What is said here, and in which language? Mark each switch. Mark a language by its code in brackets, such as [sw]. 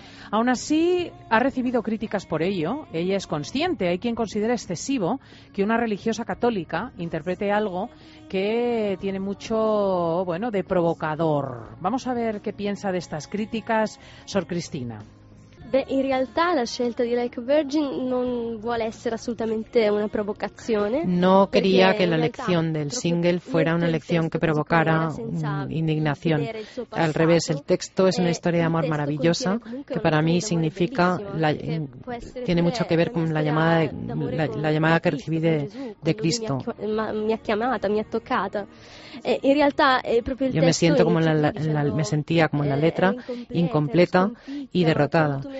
[es] Aún así, ha recibido críticas por ello. Ella es consciente. Hay quien considera excesivo que una religiosa católica interprete algo que tiene mucho, bueno, de provocador. Vamos a ver qué piensa de estas críticas, Sor Cristina. [it] Beh, in realtà la scelta di Like a Virgin non vuole essere assolutamente una provocazione. [es] No quería que la elección del single fuera una elección que provocara indignación. Al revés, el texto es una historia de amor maravillosa que para mí significa tiene mucho que ver con la llamada que recibí de Cristo. [it] Mi ha chiamata, mi ha toccata. In realtà è proprio il testo. [es] Yo me sentía como en la letra incompleta y derrotada.